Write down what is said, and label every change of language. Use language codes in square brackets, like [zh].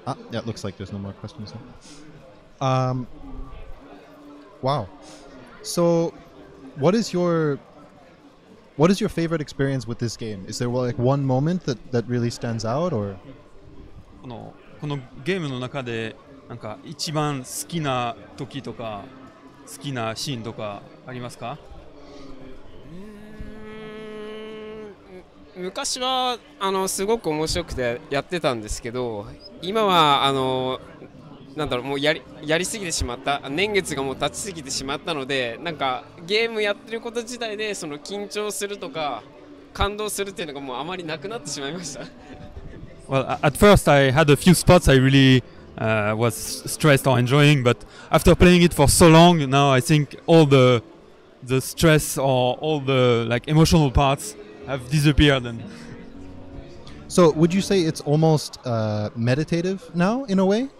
[en] Yeah, it looks like there's no more questions. Wow. So, what is your favorite experience with this game? Is there like one moment that really stands out, or? [ja] このゲームの中でなんか一番好きな時とか好きなシーンとかありますか？昔はあのすごく面白くてやってたんですけど、今はあのなんだろう、もうやりすぎてしまった、年月がもう経ちすぎてしまったので、なんかゲームやってること自体でその緊張するとか感動するっていうのがもうあまりなくなってしまいました。 [en] Well, at first I had a few spots I really was stressed or enjoying, but after playing it for so long, now I think all the stress or all the like emotional parts have disappeared. And so would you say it's almost meditative now in a way?